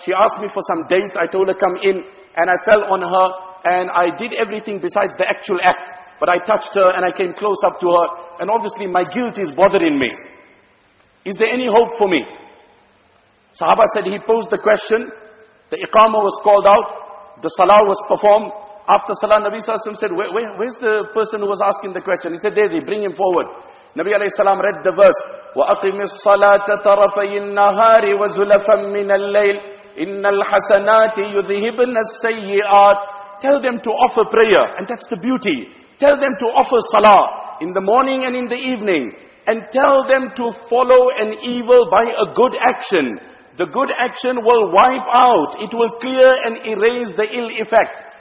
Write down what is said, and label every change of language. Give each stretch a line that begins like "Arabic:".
English: She asked me for some dates. I told her, come in, and I fell on her, and I did everything besides the actual act, but I touched her, and I came close up to her, and obviously my guilt is bothering me. Is there any hope for me? Sahaba said, he posed the question, the iqama was called out, the salah was performed. After Salah, Nabi Sallallahu Alaihi Wasallam said, where's the person who was asking the question? He said, there's he, bring him forward. Nabi Alayhi Salaam read the verse,
Arabic: وَأَقِمِ الصَّلَاةَ طَرَفَيِ النَّهَارِ وَزُلَفًا مِّنَ اللَّيْلِ إِنَّ الْحَسَنَاتِ يُذْهِبْنَ السَّيِّئَاتِ.
English: Tell them to offer prayer, and that's the beauty. Tell them to offer salah in the morning and in the evening, and tell them to follow an evil by a good action. The good action will wipe out, it will clear and erase the ill effect.